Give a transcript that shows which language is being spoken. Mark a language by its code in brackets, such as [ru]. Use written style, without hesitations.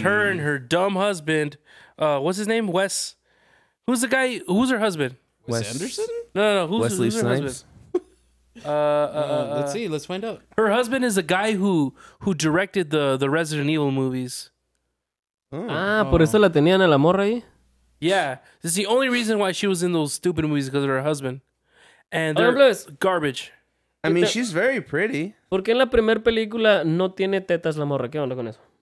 [en] her and her dumb husband, what's his name? Wes. Who's the guy? Who's her husband? Wes Anderson? No. Wesley Snipes? Husband? Let's see. Let's find out. Her husband is the guy who directed the Resident Evil movies. Oh. [es] Ah, por eso la tenían a la morra ahí? [en] Yeah. This is the only reason why she was in those stupid movies because of her husband. And garbage. I mean, she's very pretty. [es] ¿Por qué en la primera película no tiene tetas la morra? ¿Qué onda con eso?